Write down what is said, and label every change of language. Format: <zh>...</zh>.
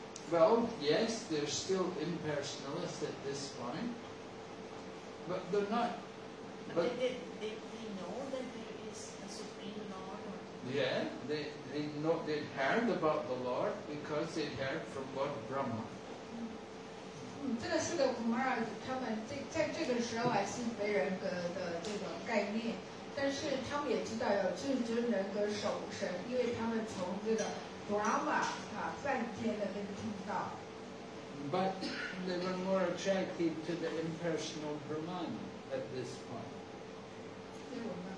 <en>Well, yes, they're still impersonalists at this point, but they're not. But they know that there is a Supreme Lord. Yeah, they know, they'd heard about the Lord because they'd heard from Lord Brahma.</en> <zh>嗯，这个四个Kumara他们在这个时候还是没人格的这个概念，但是他们也知道有至尊人格守神，因为他们从这个。</zh> <en>But they were more attracted to the impersonal Brahman at this point.</en>